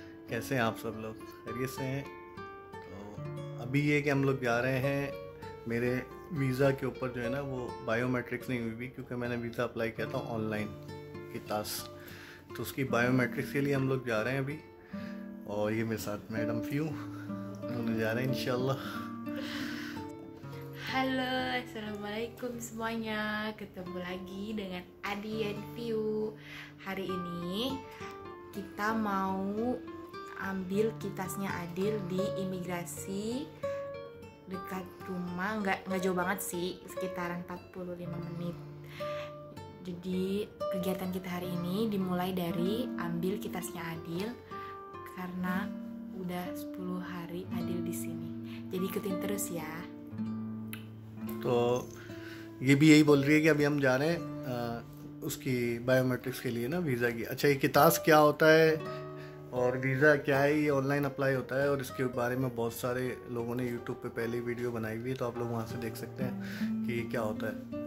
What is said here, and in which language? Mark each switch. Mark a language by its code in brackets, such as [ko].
[hi] कैसे हैं आप सब लोग, खैरियत से हैं? तो अभी ये कि हम लोग जा रहे हैं मेरे वीज़ा के ऊपर जो है ना वो बायोमेट्रिक्स नहीं हुई भी, क्योंकि मैंने वीज़ा अप्लाई किया था ऑनलाइन कितास, तो उसकी बायोमेट्रिक्स के लिए हम लोग जा रहे हैं अभी। और ये मेरे साथ मैडम फ्यू उन्होंने जा रहे हैं इंशाल्लाह। [id] Halo, assalamualaikum semuanya. Ketemu lagi dengan Adi and Fiu. Hari ini kita mau ambil kitasnya Adil di imigrasi dekat rumah. Nggak jauh banget sih, sekitaran 45 menit. Jadi kegiatan kita hari ini dimulai dari ambil kitasnya Adil, karena udah 10 hari Adil di sini. Jadi ikutin terus ya. [hi] तो ये भी यही बोल रही है कि अभी हम जा रहे हैं उसकी बायोमेट्रिक्स के लिए ना वीज़ा की। अच्छा, ये कितास क्या होता है और वीज़ा क्या है, ये ऑनलाइन अप्लाई होता है और इसके बारे में बहुत सारे लोगों ने यूट्यूब पे पहले वीडियो बनाई हुई है, तो आप लोग वहाँ से देख सकते हैं कि ये क्या होता है।